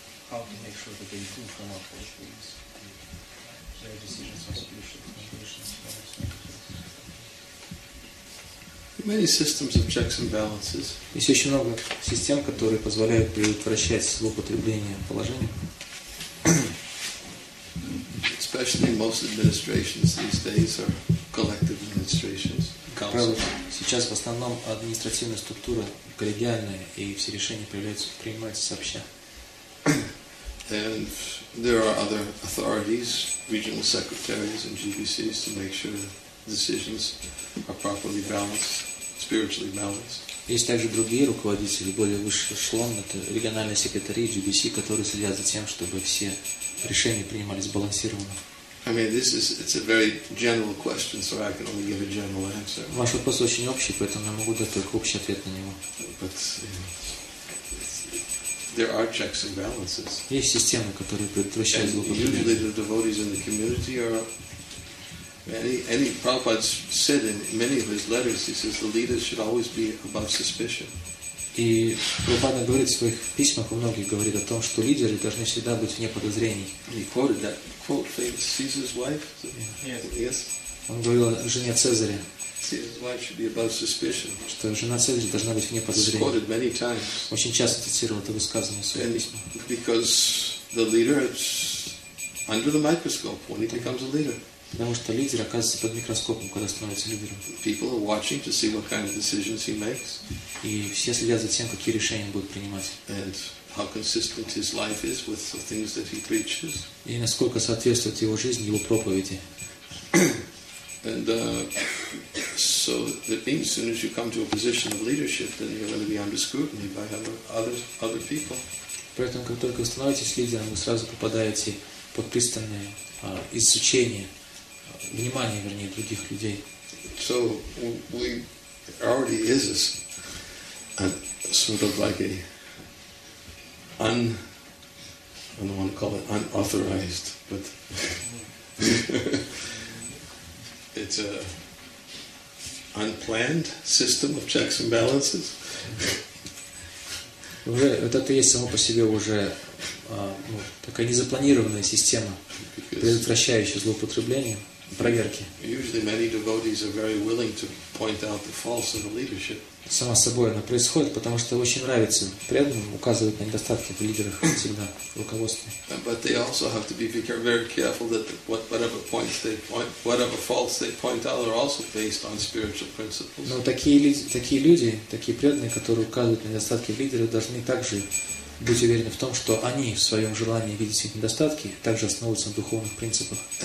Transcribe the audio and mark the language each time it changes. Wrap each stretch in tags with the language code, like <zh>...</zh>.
<en>How to make sure that they do come up with these their decisions on spiritual foundations. Many systems of checks and balances.</en> <ru>Есть еще много систем, которые позволяют предотвращать злоупотребление положением.</ru> <en>Especially most administrations these days are collective administrations.</en> <ru>Сейчас в основном административная структура коллегиальная, и все решения принимаются сообща.</ru> <en>And there are other authorities, regional secretaries and GBCs, to make sure that decisions are properly balanced, spiritually balanced.</en> <ru>Есть также другие руководители, более высший эшелон, это региональные секретари GBC, которые следят за тем, чтобы все решения принимались сбалансированно.</ru> <en>I mean, it's a very general question, so I can only give a general answer.</en> <ru>Ваш вопрос очень общий, поэтому я могу дать только общий ответ на него.</ru> <en>But there are checks and balances.</en> <ru>Есть системы, которые предотвращают злоупотребление.</ru> <en>Usually the devotees in the community are any Prabhupada said in many of his letters, he says the leaders should always be above suspicion.</en> <ru>И Прабхупада говорит в своих письмах, у многих говорит о том, что лидеры должны всегда быть вне подозрений.</ru> <en>He quoted that quote, famous Caesar's wife. Yes.</en> <ru>Он говорил о жене Цезаря.</ru> <en>Caesar's wife should be above suspicion.</en> <ru>Что жена Цезаря должна быть вне подозрений.</ru> <en>Quoted many times.</en> <ru>Очень часто цитировал это высказывание в своих письмах.</ru> <en>Because the leader is under the microscope when he becomes a leader.</en> <ru>Потому что лидер оказывается под микроскопом, когда становится лидером.</ru> <en>People are watching to see what kind of decisions he makes.</en> <ru>И все следят за тем, какие решения он будет принимать.</ru> <en>And how consistent his life is with the things that he preaches.</en> <ru>И насколько соответствует его жизнь его проповеди.</ru> <en>And so that means, as soon as you come to a position of leadership, then you're going to be under scrutiny by other people.</en> <ru>Поэтому, как только вы становитесь лидером, вы сразу попадаете под пристальное изучение. Внимание, вернее, других людей.</ru> <en>So we already is a sort of like I don't want to call it unauthorized, but it's a unplanned system of checks and balances.</en> <ru>Уже вот это есть само по себе уже такая незапланированная система, предотвращающая злоупотребление. Проверки.</ru> <en>Usually many devotees are very willing to point out the faults of the leadership.</en> <ru>Само собой, оно происходит, потому что очень нравится преданным указывать на недостатки в лидерах всегда в руководстве.</ru> <en>But they also have to be very careful that whatever faults they point out are also based on spiritual principles.</en> <ru>Но такие люди, такие преданные, которые указывают на недостатки лидера, должны также быть уверены в том, что они в своем желании видеть все недостатки также основываются на духовных принципах.</ru>